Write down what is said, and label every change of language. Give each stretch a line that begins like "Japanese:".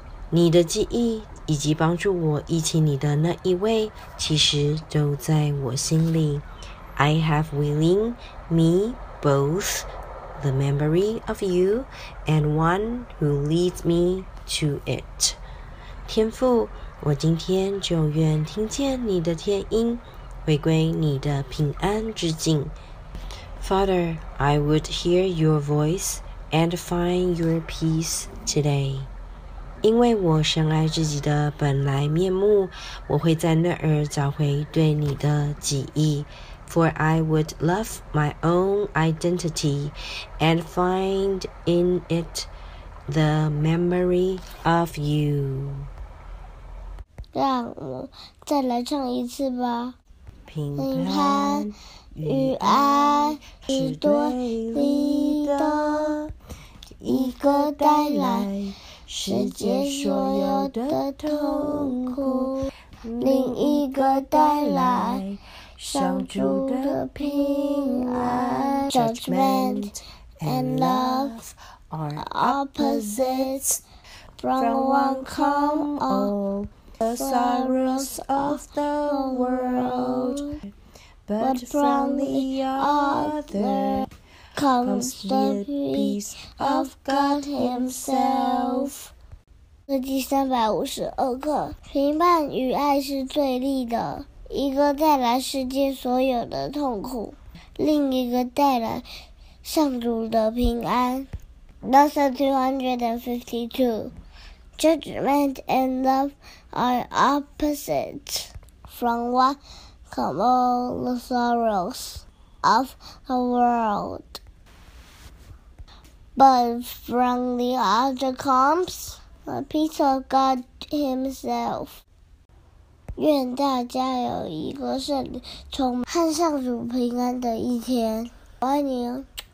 Chinese: 你的记忆以及帮助我忆起你的那一位，其实都在我心里。
English: I have within me both the memory of you and one who leads me to it.
Chinese: 天父，我今天就愿听见你的天音，回归你的平安之境。
English: Father, I would hear your voice and find your peace today.
Chinese: 因为我深爱自己的本来面目，我会在那儿找回对你的记忆。
English: For I would love my own identity and find in it the memory of you.
Chinese: 让我再来唱一次吧。评判与爱是对立的，一个带来世界所有的痛苦，另一个带来上主的平安。
English: Judgment and love are opposites from one come all. The sorrows of the world, but from the other comes the peace of God Himself.
Chinese: 352课，评判与爱是对立的，一个带来世间所有的痛苦，另一个带来上主的平安。
English: Lesson 252，Judgment and love are opposites from what come all the sorrows of a world. But from the other comes the peace of God Himself.
Chinese: 愿大家有一个圣灵充满和上主平安的一天。我爱你哦。